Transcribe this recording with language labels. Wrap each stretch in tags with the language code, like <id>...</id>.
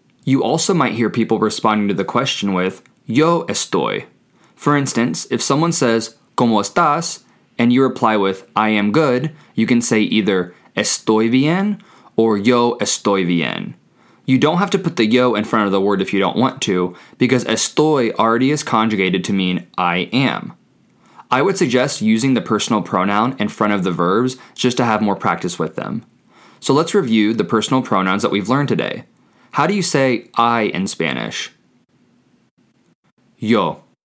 <en>You also might hear people responding to the question with,</en> <es>yo estoy.</es> <en>For instance, if someone says,</en> <es>¿Cómo estás?</es> <en>And you reply with, I am good, you can say either</en> <es>estoy bien</es> <en>or</en> <es>yo estoy bien.</es> <en>You don't have to put the yo in front of the word if you don't want to, because estoy already is conjugated to mean I am. I would suggest using the personal pronoun in front of the verbs just to have more practice with them. So let's review the personal pronouns that we've learned today. How do you say I in Spanish? Yo.</en>